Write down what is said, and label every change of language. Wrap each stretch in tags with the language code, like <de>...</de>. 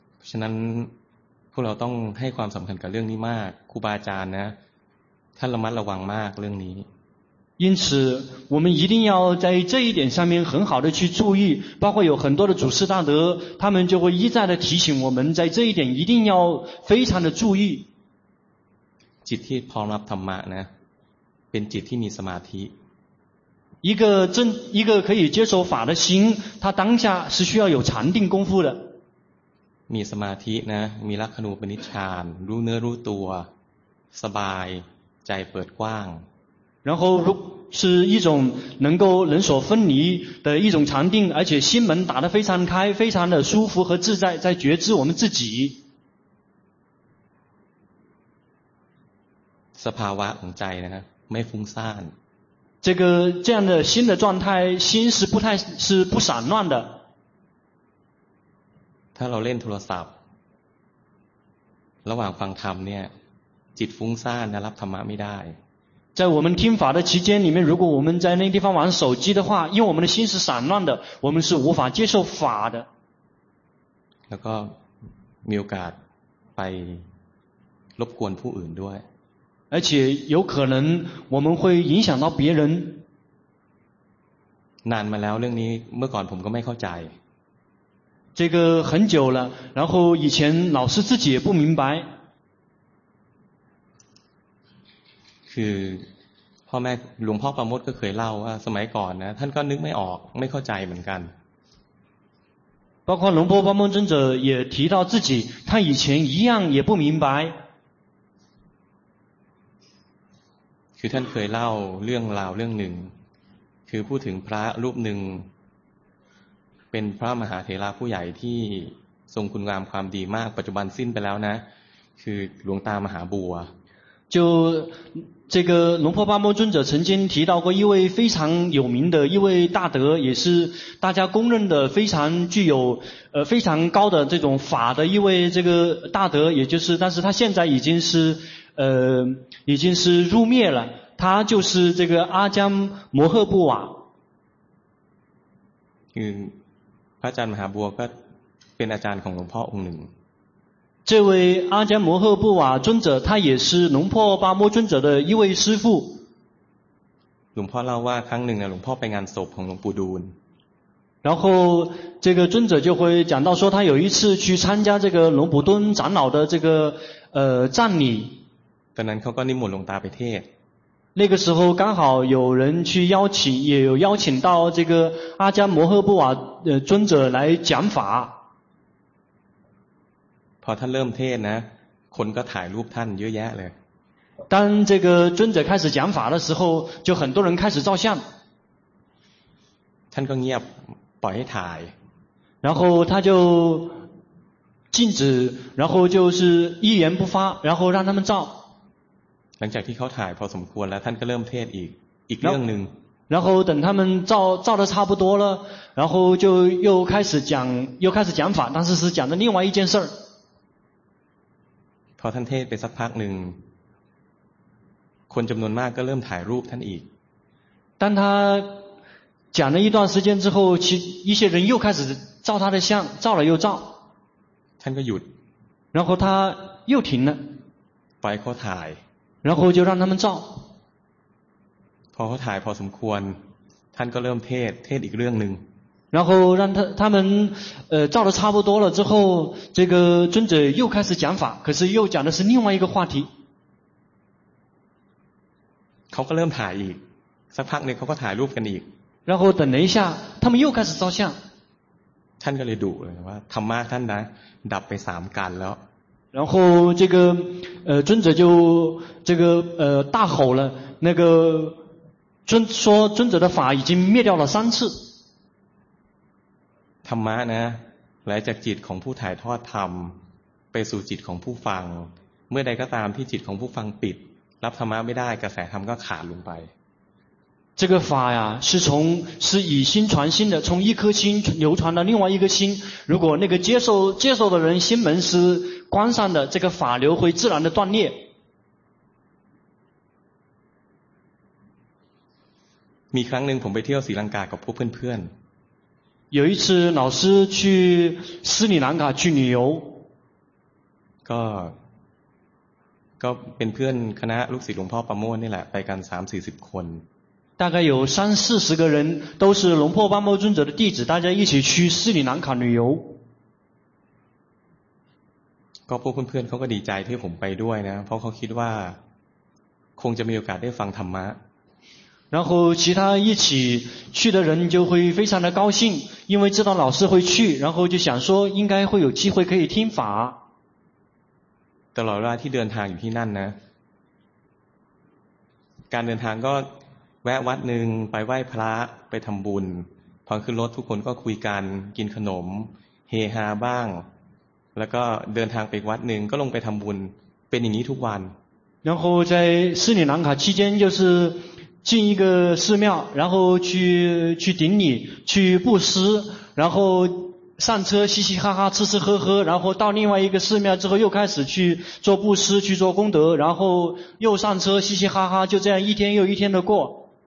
<th>ฉะนั้นพวกเราต้องให้ความสำคัญกับเรื่องนี้มากครูบาอาจารย์นะท่านระมัดระวังมากเรื่องนี้</th> <zh>因此我们一定要在这一点上面很好的去注意包括有很多的祖师大德他们就会一再的提醒我们在这一点一定要非常的注意</zh> <th>จิตที่พร้อมรับธรรมะนะเป็นจิตที่มีสมาธิ</th> <zh>一个可以接受法的心他当下是需要有禅定功夫的</zh> <th>มีสมาธินะมีลักขณูปนิชฌานรู้เนื้อรู้ตัวสบายใจเปิดกว้าง</th> <zh>然后是一种能够人所分离的一种禅定而且心门打得非常开非常的舒服和自在在觉知我们自己</zh> <th>สภาวะของใจนะไม่ฟุ้งซ่าน</th> <zh>这样的心的状态心是不太是不散乱的</zh> <th>ถ้าเราเล่นโทรศัพท์ระหว่างฟังธรรมเนี่ยจิตฟุ้งซ่านนะรับธรรมะไม่ได้</th> <zh>在我们听法的期间里面如果我们在那地方玩手机的话因为我们的心是散乱的我们是无法接受法的</zh> <th>แล้วก็มีโอกาสไปรบกวนผู้อื่นด้วย</th> <zh>而且有可能我们会影响到别人</zh> <th>นานมาแล้วเรื่องนี้เมื่อก่อนผมก็ไม่เข้าใจ</th> <zh>这个很久了然后以前老师自己也不明白</zh> <th>คือพ่อแม่หลวงพ่อประมดก็เคยเล่าว่าสมัยก่อนนะท่านก็นึกไม่ออกไม่เข้าใจเหมือนกัน</th> <zh>包括龙波巴梦尊者也提到自己他以前一样也不明白</zh> <th>คือท่านเคยเล่าเรื่องราวเรื่องหนึ่งคือพูดถึงพระรูปหนึ่งเป็นพระมหาเถระผู้ใหญ่ที่ทรงคุณงามความดีมากปัจจุบันสิ้นไปแล้วนะคือหลวงตามหาบัว</th> <zh>就这个龙婆巴摩尊者曾经提到过一位非常有名的一位大德也是大家公认的非常具有非常高的这种法的一位这个大德也就是但是他现在已经是入灭了他就是这个阿姜摩诃布瓦</zh> <th>พระอาจารย์มหาบัวก็เป็นอาจารย์ของหลวงพ่อองค์หนึ่ง</th> <zh>这位阿姜摩诃布瓦尊者他也是龙婆巴摩尊者的一位师父</zh> <th>หลวงพ่อเล่าว่าครั้งหนึ่งนะหลวงพ่อไปงานศพของหลวงปู่ดูล</th> <zh>然后这个尊者就会讲到说他有一次去参加这个龙普敦长老的这个葬礼</zh> <th>ตอนนั้นเขาก็นิมนต์หลวงตาไปเทศ</th> <zh>那个时候刚好有人去邀请也有邀请到这个阿姜摩诃布瓦尊者来讲法</zh> <th>พอเ พอท่านเริ่มเทศนะคนก็ถ่ายรูปท่านเยอะแยะเลย</th> <zh>当这个尊者开始讲法的时候就很多人开始照相</zh> <th>ท่านก็เงียบปล่อยให้ถ่าย</th> <zh>然后他就禁止然后就是一言不发然后让他们照</zh> <th>หลังจากที่เขาถ่ายพอสมควรแล้วท่านก็เริ่มเทศอีกเรื่องนึง</th> <zh>然后等他们照的差不多了然后就又开始讲法但是是讲的另外一件事儿</zh> <th>พอท่านเทศไปสักพักนึงคนจำนวนมากก็เริ่มถ่ายรูปท่านอีก</th> <zh>当他讲了一段时间之后其一些人又开始照他的相照了又照</zh> <th>ท่านก็หยุด</th> <zh>然后他又停了</zh> <th>ไปเขาถ่าย</th> <zh>然后就让他们照</zh> <th>พอเขาถ่ายพอสมควรท่านก็เริ่มเทศอีกเรื่องนึง</th> <zh>然后让他们照的差不多了之后这个尊者又开始讲法可是又讲的是另外一个话题</zh> <th>เขาก็เริ่มถ่ายอีกสักพักนึงเขาก็ถ่ายรูปกันอีก</th> <zh>然后等了一下他们又开始照相</zh> <th>ท่านก็เลยดุเลยว่าธรรมะท่านนะดับไป3กันแล้ว</th> <zh>然后这个尊者就这个大吼了那个说尊者的法已经灭掉了三次</zh> <th>ธรรมะนะไหลจากจิตของผู้ถ่ายทอดธรรมไปสู่จิตของผู้ฟังเมื่อใดก็ตามที่จิตของผู้ฟังปิดรับธรรมะไม่ได้กระแสธรรมก็ขาดลงไป</th> <zh>这个法呀是从是以心传心的从一颗心流传到另外一个心如果那个接受的人心门是关上的这个法流会自然的断裂</zh> <th>มีครั้งหนึ่งผมไปเที่ยวศรีลังกากับพวกเพื่อน</th> <zh>ๆ有一次老师去斯里兰卡去旅游</zh> <th>ก็เป็นเพื่อนคณะลูกศิษย์หลวงพ่อประโมทนี่แหละไปกัน 30-40 คน</th> <zh>大概有三四十个人都是龙破巴摩尊者的弟子大家一起去斯里兰卡旅游</zh> <th>ก็พวกเพื่อนๆเขาก็ดีใจที่ผมไปด้วยนะเพราะเขาคิดว่าคงจะมีโอกาสได้ฟังธรรมะ</th> <zh>然后其他一起去的人就会非常的高兴因为知道老师会去然后就想说应该会有机会可以听法</zh> <th>ตลอดเวลาที่เดินทางอยู่ที่นั่นนะการเดินทางก็แวะวัดหนึ่งไปไหว้พระไปทำบุญพอขึ้นรถทุกคนก็คุยกันกินขนมเฮฮาบ้างแล้วก็เดินทางไปวัดหนึ่งก็ลงไปทำบุญเป็นอย่างนี้ทุกวัน</th> <zh>然后在斯里兰卡期间就是进一个寺庙然后去顶礼去布施然后上车嘻嘻哈哈吃吃喝喝然后到另外一个寺庙之后又开始去做布施去做功德然后又上车嘻嘻哈哈就这样一天又一天的过</zh>